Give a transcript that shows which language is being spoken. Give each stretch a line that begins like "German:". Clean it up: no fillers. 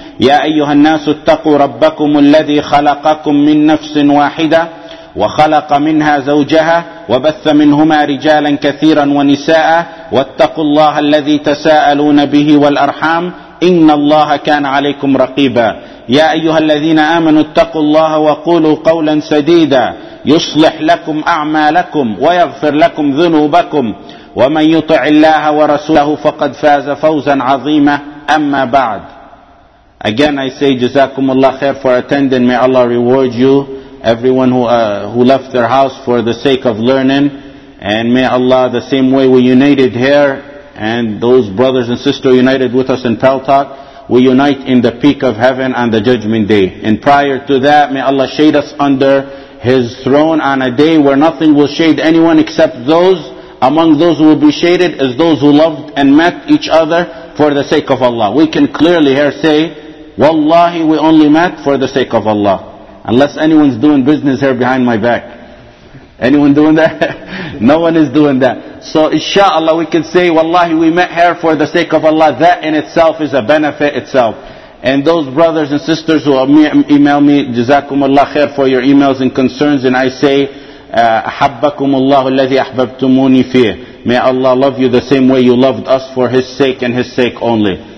Arabic: يا أيها الناس اتقوا ربكم الذي خلقكم من نفس واحدة وخلق منها زوجها وبث منهما رجالا كثيرا ونساء، واتقوا الله الذي تساءلون به والأرحام، إن الله كان عليكم رقيبا. يا أيها الذين آمنوا اتقوا الله وقولوا قولا سديدا يصلح لكم أعمالكم ويغفر لكم ذنوبكم، ومن يطع الله ورسوله فقد فاز فوزا عظيما. أما بعد،
English: again I say
Arabic: جزاكم الله خير
English: for attending. May Allah reward you, everyone who left their house for the sake of learning, and may Allah, the same way we united here and those brothers and sisters united with us in Pal Talk, we unite in the peak of heaven on the judgment day. And prior to that, may Allah shade us under His throne on a day where nothing will shade anyone except those. Among those who will be shaded is those who loved and met each other for the sake of Allah. We can clearly here say, Wallahi, we only met for the sake of Allah. Unless anyone's doing business here behind my back. Anyone doing that? No one is doing that. So inshallah we can say, Wallahi, we met here for the sake of Allah. That in itself is a benefit itself. And those brothers and sisters who email me,
Arabic: جزاكم الله خير
English: for your emails and concerns. And I say,
Arabic: أحبكم الله الذي أحببتموني فيه.
English: May Allah love you the same way you loved us for His sake and His sake only.